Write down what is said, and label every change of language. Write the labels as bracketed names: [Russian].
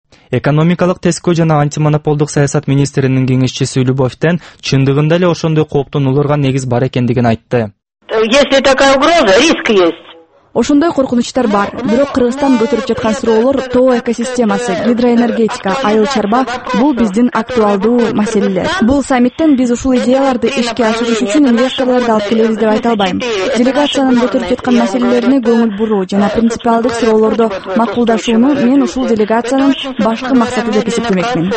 [Kyrgyz] Экономикалык тескөө жана антимонополдук саясат министринин кеңешчиси Любовтен чындыгында эле ошондой кооптун улурган негиз бар экендигин айтты. [Russian] Если такая угроза, риск есть. [Kyrgyz] Ошондой коркунучтар бар, бирок Кыргызстан көтөрүп жаткан суроолор тоо экосистемасы, гидроэнергетика, айыл чарба бул биздин актуалдуу маселелер. Бул саммиттен биз ушул идеяларды ишке ашырыш үчүн инвесторлорду алып келебиз деп айта албайм. Делегациянын көтөрүп жаткан маселелерине көңүл буруу жана принципиалдык суроолордо макулдашууну мен ушул делегациянын башкы максаты деп эсептемекмин.